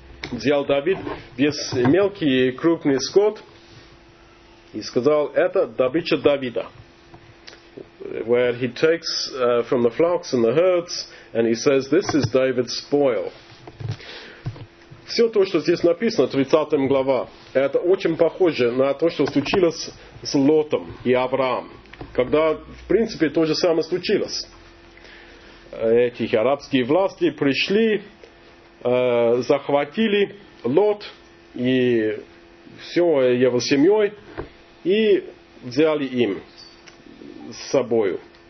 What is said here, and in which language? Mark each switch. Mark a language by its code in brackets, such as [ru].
[ru] взял Давид весь мелкий и крупный скот и сказал, это добыча Давида. [en] Where he takes from the flocks and the herds, and he says, this is David's spoil. [ru] Все то, что здесь написано, 30 глава, это очень похоже на то, что случилось с Лотом и Авраам. Когда, в принципе, то же самое случилось. Эти арабские власти пришли, захватили Лот и все его семьей и взяли им с собою.